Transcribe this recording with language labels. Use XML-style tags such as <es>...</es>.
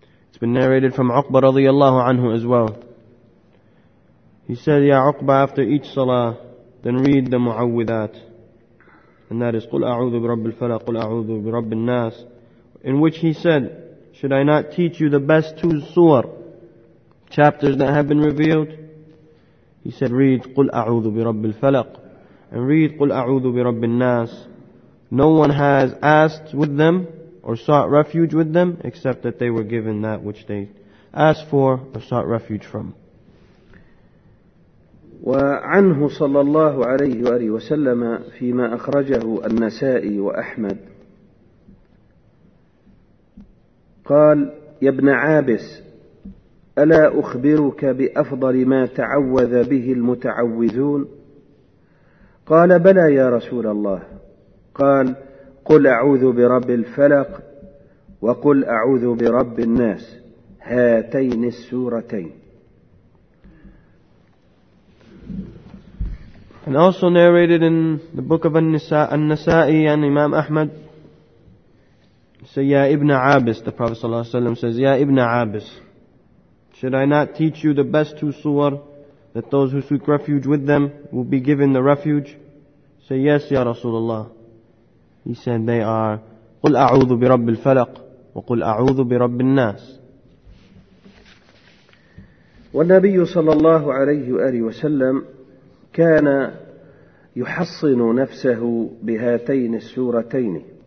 <en>It's been narrated from Uqba radiyallahu anhu as well. He said, Ya Uqba, after each salah, then read the mu'awwidhat. And that is,</en> <ar>قُلْ أَعُوذُ بِرَبِّ الْفَلَقِ قُلْ أَعُوذُ بِرَبِّ النَّاسِ.</ar> <en>In which he said, should I not teach you the best two surah, chapters that have been revealed? He said, read</en> <ar>قُلْ أَعُوذُ بِرَبِّ الْفَلَقِ</ar> <en>and read</en> <ar>قُلْ أَعُوذُ بِرَبِّ النَّاسِ.</ar> <en>No one has asked with them or sought refuge with them except that they were given that which they asked for or sought refuge from.</en> <ar>وعنه صلى الله عليه وآله وسلم فيما أخرجه النسائي وأحمد قال يا ابن عابس ألا أخبرك بأفضل ما تعوذ به المتعوذون؟ قال بلى يا رسول الله. قال قل أعوذ برب الفلق وقل أعوذ برب الناس، هاتين السورتين.</ar> <en>And also narrated in the book of An-Nasa'i and Imam Ahmad, say, Ya Ibn Abbas, the Prophet Sallallahu Alaihi Wasallam says, Ya Ibn Abbas, should I not teach you the best two surah, that those who seek refuge with them will be given the refuge? Say, yes, Ya Rasulullah. He said, they are,</en> <ar>قُلْ أَعُوذُ بِرَبِّ الْفَلَقِ وَقُلْ أَعُوذُ بِرَبِّ النَّاسِ. والنبي صلى الله عليه وآله وسلم كان يحصن نفسه بهاتين السورتين.</ar>